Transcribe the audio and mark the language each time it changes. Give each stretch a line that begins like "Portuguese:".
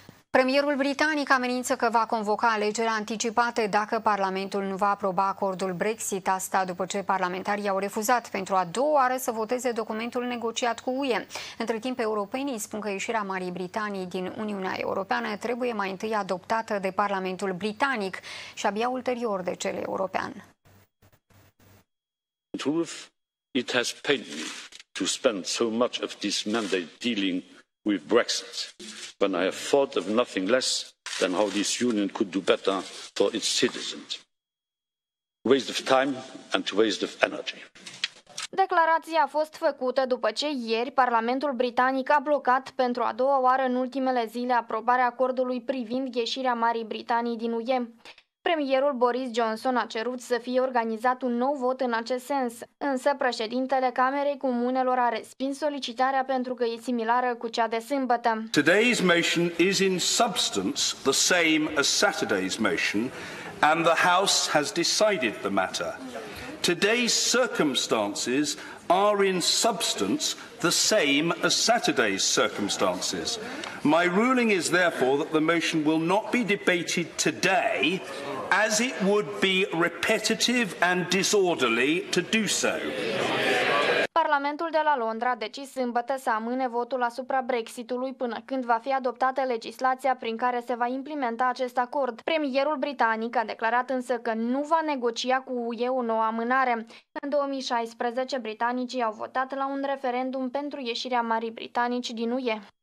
Romanian: Premierul britanic amenință că va convoca alegeri anticipate dacă Parlamentul nu va aproba acordul Brexit, asta după ce parlamentarii au refuzat pentru a doua oară să voteze documentul negociat cu UE. Între timp, europenii spun că ieșirea Marii Britanii din Uniunea Europeană trebuie mai întâi adoptată de Parlamentul britanic și abia ulterior de cel european.
English: In truth, it has pained me to spend so much of this mandate dealing with Brexit, when I have thought of nothing less than how this union could do better for its citizens. Waste of time and waste of energy.
Romanian: Declarația a fost făcută după ce ieri Parlamentul Britanic a blocat pentru a doua oară în ultimele zile aprobarea acordului privind ieșirea Marii Britanii din UE. Premierul Boris Johnson a cerut să fie organizat un nou vot în acest sens, însă președintele Camerei Comunelor a respins solicitarea pentru că e similară cu cea de sâmbătă.
English: Today's motion is in substance the same as Saturday's motion and the House has decided the matter. Today's circumstances are in substance the same as Saturday's circumstances. My ruling is therefore that the motion will not be debated today, as it would be repetitive and disorderly to do so.
Romanian: Parlamentul de la Londra a decis sâmbătă să amâne votul asupra Brexitului până când va fi adoptată legislația prin care se va implementa acest acord. Premierul britanic a declarat însă că nu va negocia cu UE o nouă amânare. În 2016, britanicii au votat la un referendum pentru ieșirea Marii Britanii din UE.